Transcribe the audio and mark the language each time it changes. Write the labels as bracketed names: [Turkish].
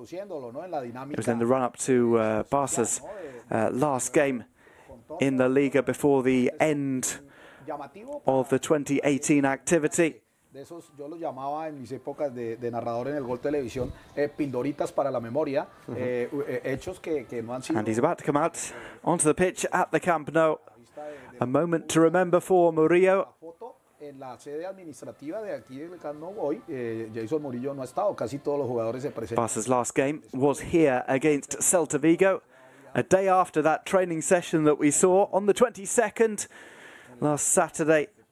[English] It was in the run-up to Barça's last game in the Liga before the end of the 2018 activity. [Spanish] De esos yo los llamaba en mis épocas de narrador en el Gol Televisión pildoritas para la memoria, hechos que no han sido. [English] And he's about to come out onto the pitch at the Camp Nou. A moment to remember for Murillo. [Spanish] En la sede administrativa de aquí del Camp Nou hoy, Jason Murillo no ha estado. Casi todos los jugadores se presentan. [English] Barça's last game was here against Celta Vigo. A day after that training session that we saw on the 22nd, last Saturday.